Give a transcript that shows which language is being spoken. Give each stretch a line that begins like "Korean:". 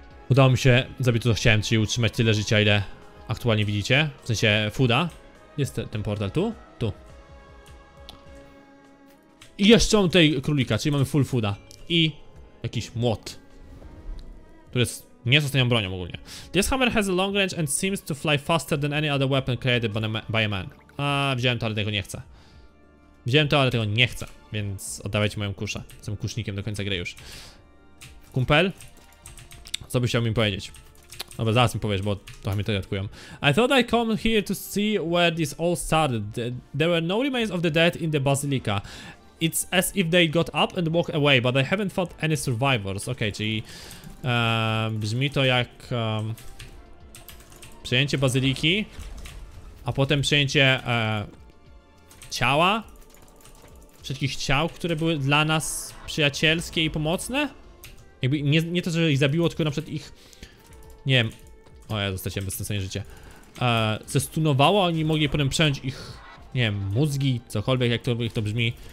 Polish: Udało mi się zabić to, co chciałem, czyli utrzymać tyle życia, ile aktualnie widzicie. W sensie fooda. Jest ten portal tu? Tu. I jeszcze mam tutaj królika, czyli mamy full fooda. I jakiś młot. Który jest niezostaniem bronią ogólnie.
English: This hammer has a long range and seems to fly faster than any other weapon created by a man.
Polish: A wziąłem to, ale tego nie chcę. Wziąłem to, ale tego nie chcę. Więc oddawajcie moją kuszę. Jestem kusznikiem do końca gry już. Kumpel? Co byś chciał mi powiedzieć? Dobra, zaraz mi powiesz, bo trochę mnie to jadkują.
English: I thought I come here to see where this all started. There were no remains of the dead in the basilica. It's as if they got up and walked away, but I haven't found any survivors.
Polish: Okej, okay, czyli brzmi to jak przejęcie bazyliki, a potem przejęcie ciała, wszystkich ciał, które były dla nas przyjacielskie i pomocne. Jakby nie to, że ich zabiło, tylko na przykład ich, nie wiem, o ja zostałem bez sensu życia, zestunowało, oni mogli potem przejąć ich, nie wiem, mózgi, cokolwiek, jak to, ich to brzmi.